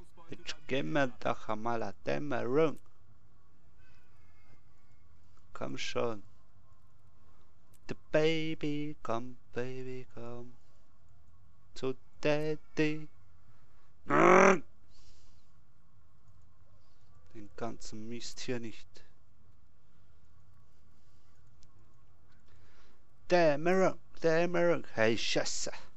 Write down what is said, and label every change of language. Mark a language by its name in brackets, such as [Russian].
[German] Jetzt gehen wir doch einmal an Dämmerung. Komm schon. [English] The baby, come, baby, come to daddy. [German] Den ganzen Mist hier nicht. Dämmerung, Dämmerung, hey Scheiße.